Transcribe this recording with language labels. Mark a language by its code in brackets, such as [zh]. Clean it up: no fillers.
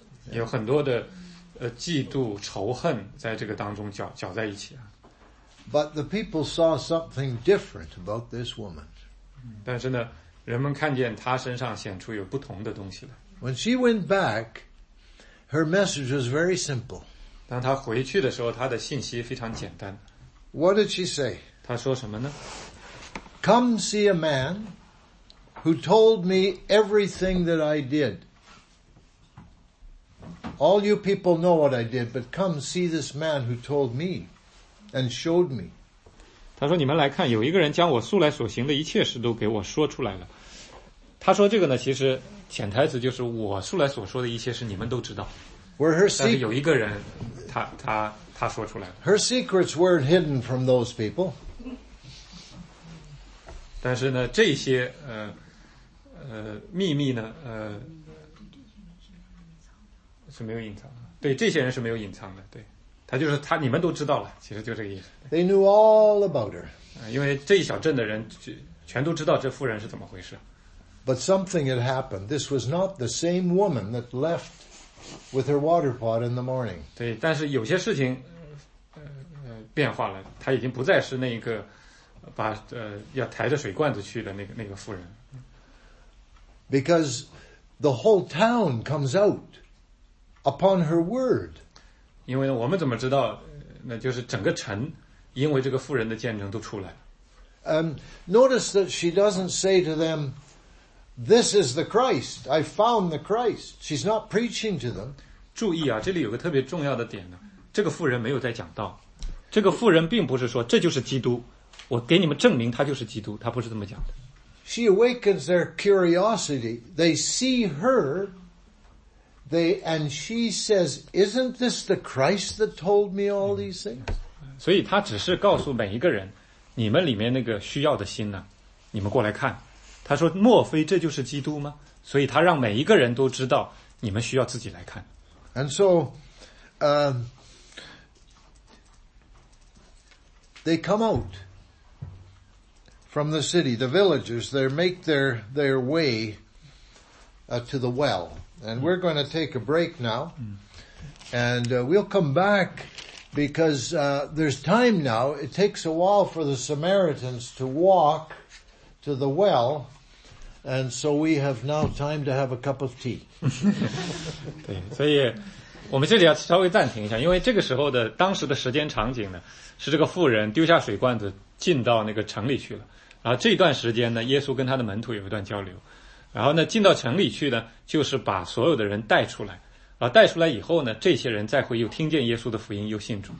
[zh] 有很多的嫉妒仇恨在这个当中搅在一起啊。 [en] But the people saw something different about this woman. [zh] 但是呢，人们看见她身上显出有不同的东西了。 [en] When she went back, her message was very simple. [zh] 当她回去的时候，她的信息非常简单。 [en] What did she say? [zh] 她说什么呢？ [en] Come see a man who told me everything that I did. All you people know what I did, but come see this man who told me. And showed me. [zh] 他说：“你们来看，有一个人将我素来所行的一切事都给我说出来了。” 他说这个呢，其实潜台词就是我素来所说的一切事，你们都知道。 [en] Were her secrets? [zh] 但是有一个人，他说出来了。 [en] Her secrets weren't hidden from those people. [zh] 但是呢，这些秘密呢，是没有隐藏的。对，这些人是没有隐藏的。对。他就是他，你们都知道了，其实就这个意思。 [en] They knew all about her. [zh] 因为这一小镇的人全都知道这妇人是怎么回事。 [en] But something had happened. This was not the same woman that left with her water pot in the morning. [zh] 对，但是有些事情变化了，她已经不再是那个把要抬着水罐子去的那个妇人。 [en] Because the whole town comes out upon her word. [zh] 因为我们怎么知道那就是整个城因为这个妇人的见证都出来了。 [en] Notice that she doesn't say to them, this is the Christ, I found the Christ. She's not preaching to them. [zh] 注意啊，这里有个特别重要的点呢，这个妇人没有在讲道。这个妇人并不是说这就是基督，我给你们证明他就是基督，他不是这么讲的。 [en] She awakens their curiosity. They see her,and she says, isn't this the Christ that told me all these things? [zh] 所以他只是告诉每一个人，你们里面那个需要的心呢，你们过来看。他说，莫非这就是基督吗？所以他让每一个人都知道，你们需要自己来看。 [en] And so, they come out from the city. The villagers, they make their way, to the well. And we're going to take a break now. And we'll come back because there's time now. It takes a while for the Samaritans to walk to the well. And so we have now time to have a cup of tea. [zh] 对，所以我们这里要稍微暂停一下，因为这个时候的当时的时间场景呢，是这个妇人丢下水罐子进到那个城里去了。然后这段时间呢，耶稣跟他的门徒有一段交流。然后呢，进到城里去呢，就是把所有的人带出来，然后带出来以后呢，这些人再会又听见耶稣的福音，又信主。